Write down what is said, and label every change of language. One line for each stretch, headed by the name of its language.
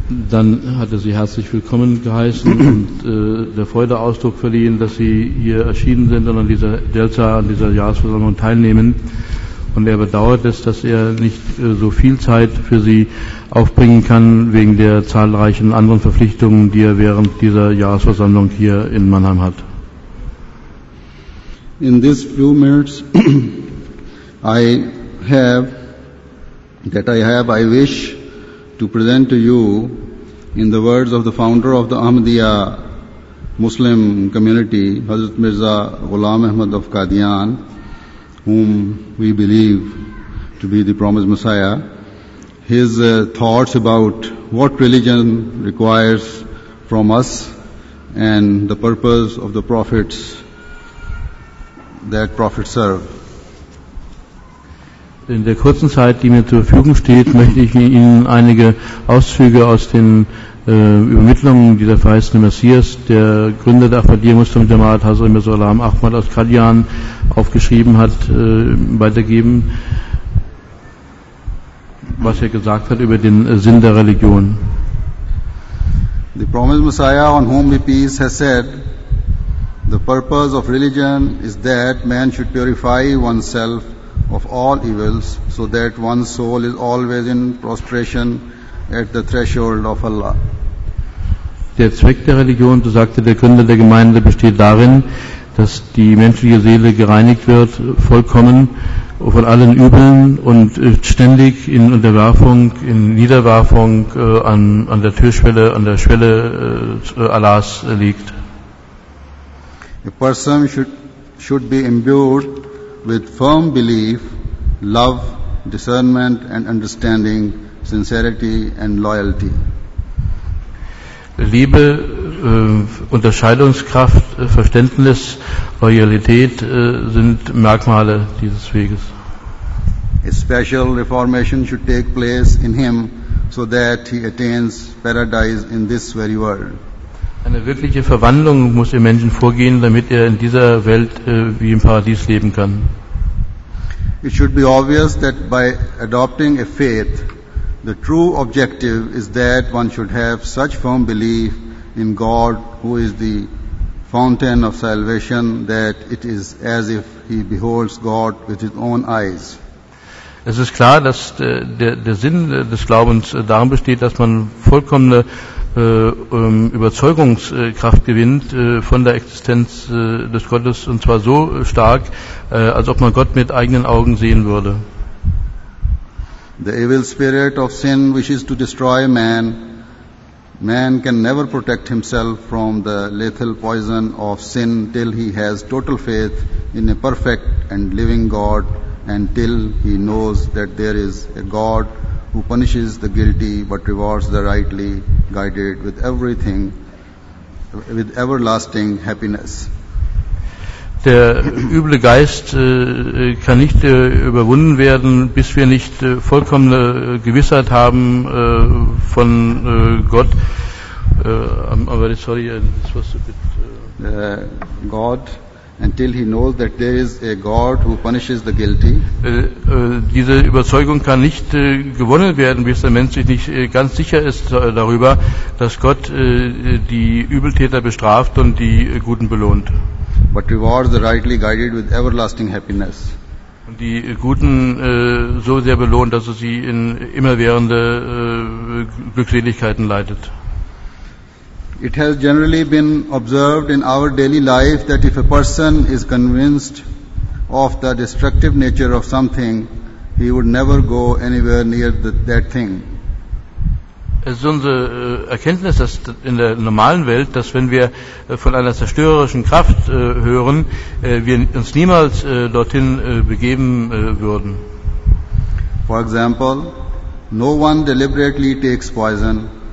German: Dann hat er sie herzlich willkommen geheißen und der Freude Ausdruck verliehen, dass sie hier erschienen sind und an dieser Jalsa, an dieser Jahresversammlung teilnehmen. Und er bedauert es, dass er nicht so viel Zeit für sie aufbringen kann, wegen der zahlreichen anderen Verpflichtungen, die er während dieser Jahresversammlung hier in Mannheim hat.
English: In these few minutes I have, that I have, I wish to present to you in the words of the founder of the Ahmadiyya Muslim community, Hazrat Mirza Ghulam Ahmad of Qadian, whom we believe to be the promised Messiah, his thoughts about what religion requires from us and the purpose of the prophets that prophets serve.
German: In der kurzen Zeit, die mir zur Verfügung steht, möchte ich Ihnen einige Auszüge aus den Übermittlungen dieser verheißene Messias, der Gründer der Ahmadiyya Muslim Jamaat, Hazrat Mirza Ghulam Ahmad aus Qadian, aufgeschrieben hat, weitergeben, was er gesagt hat über den Sinn der Religion.
English: The promised Messiah on whom the peace has said, the purpose of religion is that man should purify oneself of all evils, so that one's soul is always in prostration at the threshold of Allah.
German: Der Zweck der Religion, so sagte der Gründer der Gemeinde, besteht darin, dass die menschliche Seele gereinigt wird, vollkommen von allen Übeln und ständig in Unterwerfung, in Niederwerfung an der Türschwelle, an der Schwelle Allahs liegt.
English: A person should be imbued with firm belief, love, discernment and understanding, sincerity and loyalty.
German: Liebe, Unterscheidungskraft, Verständnis, Loyalität sind Merkmale dieses Weges.
English: A special reformation should take place in him so that he attains paradise in this very world.
German: Eine wirkliche Verwandlung muss im Menschen vorgehen, damit er in dieser Welt wie im Paradies leben kann.
English: It should be obvious that by adopting a faith, the true objective is that one should have such firm belief in God, who is the fountain of salvation, that it is as if he beholds God with his own eyes.
German: Es ist klar, dass der Sinn des Glaubens darin besteht, dass man vollkommene Überzeugungskraft gewinnt von der Existenz des Gottes, und zwar so stark, als ob man Gott mit eigenen Augen sehen würde.
English: The evil spirit of sin wishes to destroy man. Man can never protect himself from the lethal poison of sin till he has total faith in a perfect and living God, and till he knows that there is a God who punishes the guilty but rewards the rightly guided with everything, with everlasting happiness.
German: Der üble Geist kann nicht überwunden werden, bis wir nicht vollkommene Gewissheit haben von Gott.
English: I'm very sorry, this was a bit... God until he knows that there is a God who punishes the guilty.
German: Diese Überzeugung kann nicht gewonnen werden, bis der Mensch sich nicht ganz sicher ist darüber, dass Gott die Übeltäter bestraft und die Guten belohnt.
English: But rewards are rightly guided with everlasting happiness.
German: Und die Guten so sehr belohnt, dass er sie in immerwährende Glückseligkeiten leitet.
English: It has generally been observed in our daily life that if a person is convinced of the destructive nature of something, he would never go anywhere near that thing.
German: Es ist unsere Erkenntnis, dass in der normalen Welt, dass wenn wir von einer zerstörerischen Kraft hören, wir uns niemals dorthin begeben würden.
English: For example, no one deliberately takes poison.